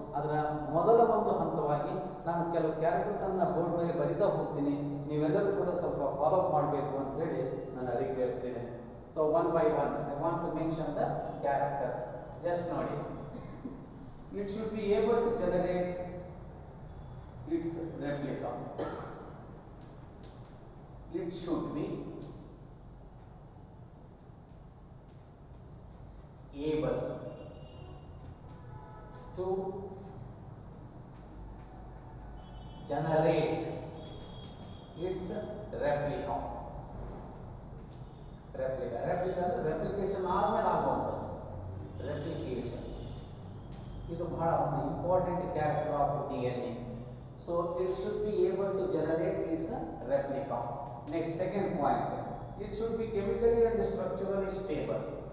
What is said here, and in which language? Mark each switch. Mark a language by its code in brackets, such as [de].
[kn] ಅದರ ಮೊದಲ ಒಂದು ಹಂತವಾಗಿ ನಾನು ಕೆಲವು ಕ್ಯಾರೆಕ್ಟರ್ಸನ್ನು ಬೋರ್ಡ್ ಮೇಲೆ ಬರಿತಾ ಹೋಗ್ತೀನಿ, ನೀವೆಲ್ಲರೂ ಕೂಡ ಸ್ವಲ್ಪ ಫಾಲೋ ಅಪ್ ಮಾಡಬೇಕು ಅಂತೇಳಿ ನಾನು ರಿಕ್ವೆಸ್ಟ್ ಇದೆ. [en] So one by one I want to mention the characters. Just ನೋಡಿ, it should be able to generate its replica. It should be able to generate its replica. Replica, replica, replication [kn] ಆದ್ಮೇಲೆ ಆಗುವಂತದ್ದು [en] Replication. [kn] ಇದು ಬಹಳ ಒಂದು [en] Important character of D N A. So it should be able to generate its replica. Next second point, it should be chemically and structurally stable.